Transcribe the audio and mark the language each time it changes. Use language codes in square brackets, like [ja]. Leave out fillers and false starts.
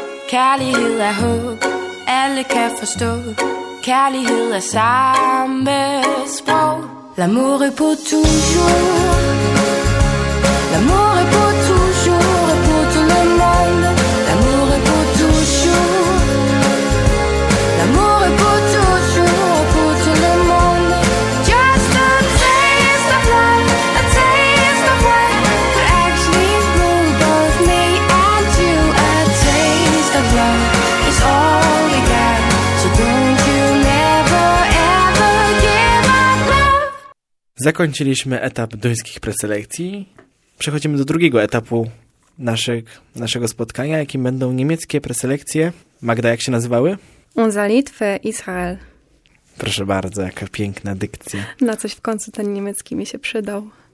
[da] Kærlighed er håb, alle kan forstå. Kærlighed er samme sprog. [fr] L'amour est pour toujours. L'amour est pour toujours et pour tout le monde. L'amour est pour toujours. L'amour est pour toujours et pour tout le monde. [en] Just a taste of love, a taste of what could actually rule both me and you. A taste of love is all we got, so don't you never ever give up love. [pl] Zakończyliśmy etap duńskich preselekcji. Przechodzimy do drugiego etapu naszego spotkania, jakim będą niemieckie preselekcje. Magda, jak się nazywały? Unser Litwy Israel. Proszę bardzo, jaka piękna dykcja. Na coś w końcu ten niemiecki mi się przydał.